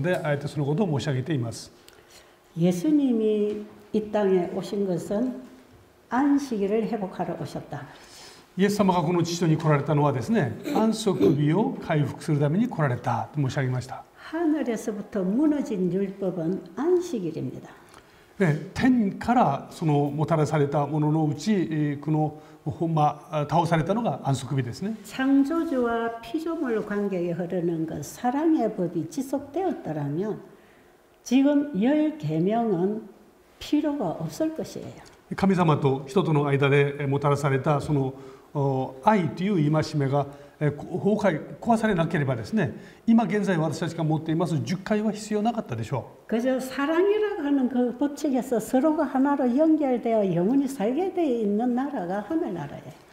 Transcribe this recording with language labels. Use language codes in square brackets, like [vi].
[ja] まあ一つ一つの単語をですね、まあそれを聞いてお分かりになる方々もいらっしゃいますので、あえてそのことを申し上げています。 [ko] 예수님이 이 땅에 오신 것은 안식일을 회복하러 오셨다. [ja] イエス様がこの地上に来られたのはですね、安息日を回復するために来られたと申し上げました。 [ko] 하늘에서부터 무너진 율법은 안식일입니다. [ja] 네, 天からそのもたらされたもののうち、この倒されたのが安息日ですね。 [ko] 창조주와 피조물 관계에 흐르는 그 사랑의 법이 지속되었더라면 지금 열 계명은 필요가 없을 것이에요. [ja] 神様と人との間でもたらされたその 愛という戒めが崩壊壊されなければですね、今現在私たちが持っています10回は必要なかったでしょう。 [ko] 그저 사랑이라고 하는 그 법칙에서 서로가 하나로 연결되어 영원히 살게 되어 있는 나라가 하늘나라예요.